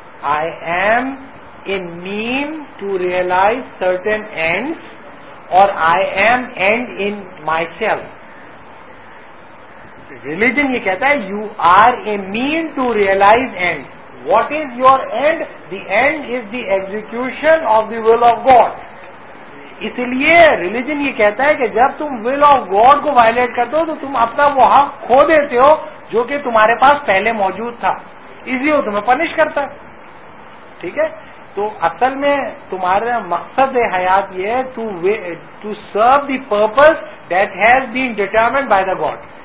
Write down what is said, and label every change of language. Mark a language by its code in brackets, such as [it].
[en] I am a man to realize certain ends, [ur] اور [en] I am end in my self. [ur] Religion یہ کہتا ہے [en] You are a man to realize end. What is your end? The end is the execution of the will of God. [ur] اس لیے religion یہ کہتا ہے کہ جب تم [en] will of God [ur] کو وائلیٹ کرتے ہو تو تم اپنا وہ حق کھو دیتے ہو جو کہ تمہارے پاس پہلے موجود تھا، اس لیے وہ تمہیں پنش کرتا ہے. ٹھیک ہے؟ تو اصل میں تمہارا مقصد حیات یہ ہے [en] To serve the purpose that has been determined by the God.